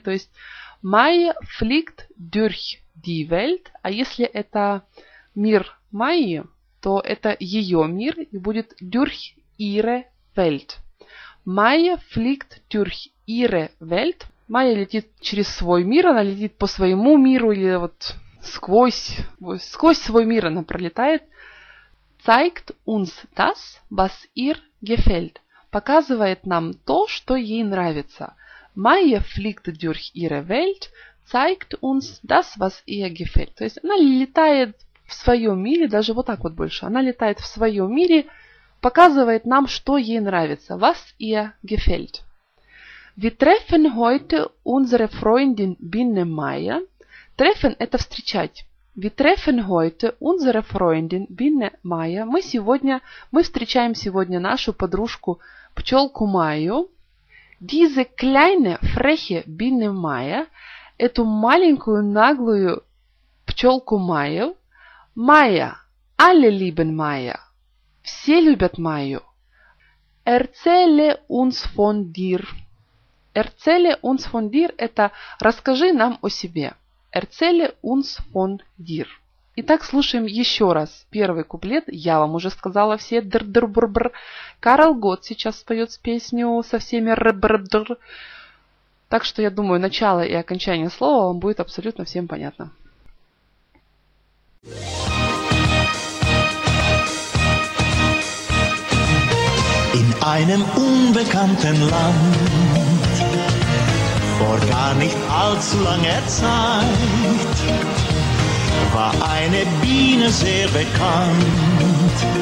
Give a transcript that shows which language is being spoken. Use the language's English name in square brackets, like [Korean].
[Russian] То есть Майя [German] фликт дюрх ди вельт, [Russian] а если это мир Майи, то это ее мир и будет [German] дюрх ире вельт. [Russian] Майя [German] фликт дюрх ире вельт. [Russian] Майя летит через свой мир, она летит по своему миру или вот сквозь свой мир она пролетает. [German] Zeigt uns das, was ihr gefällt. [Russian] Показывает нам то, что ей нравится. [German] Maya fliegt durch ihre Welt. Zeigt uns das, was ihr gefällt. [Russian] То есть она летает в своем мире, даже вот так вот больше. Она летает в своем мире, показывает нам, что ей нравится. [German] Was ihr gefällt. Wir treffen heute unsere Freundin Biene Maya. [Russian] Treffen – это встречать. [German] Wir treffen heute unsere Freundin Biene Maya. [Russian] Мы встречаем сегодня нашу подружку пчелку Майю. [German] Diese kleine freche Biene Maya. [Russian] Эту маленькую наглую пчелку Майю. [German] Maya. Alle lieben Maya. [Russian] Все любят Майю. [German] Erzähle uns von dir. Erzähle uns von dir. [Russian] Это расскажи нам о себе. [German] Erzähle uns von dir. [Russian] Итак, слушаем еще раз первый куплет. Я вам уже сказала все др-др-бр-бр. Карл Готт сейчас споет песню со всеми р-бр-др. Так что я думаю, начало и окончание слова вам будет абсолютно всем понятно. [German] In einem unbekannten Land vor gar nicht allzu langer Zeit war eine Biene sehr bekannt.